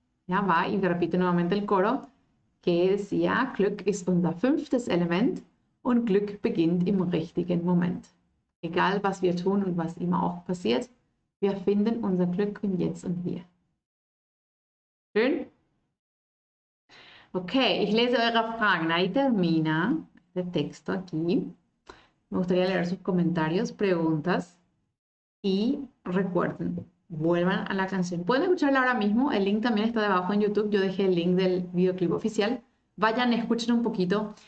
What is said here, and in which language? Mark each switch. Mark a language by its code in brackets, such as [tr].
[es] Ya va y repite nuevamente el coro. Que decía, [de] Glück ist unser fünftes Element und Glück beginnt im richtigen Moment. Egal, was wir tun und was immer auch passiert, wir finden unser Glück im Jetzt und Hier. Schön? Okay, ich lese eure Fragen. [es] Ahí termina el texto aquí. Me gustaría leer sus comentarios, preguntas y recuerden. Vuelvan a la canción. Pueden escucharla ahora mismo. El link también está debajo en YouTube. Yo dejé el link del videoclip oficial. Vayan, escuchen un poquito.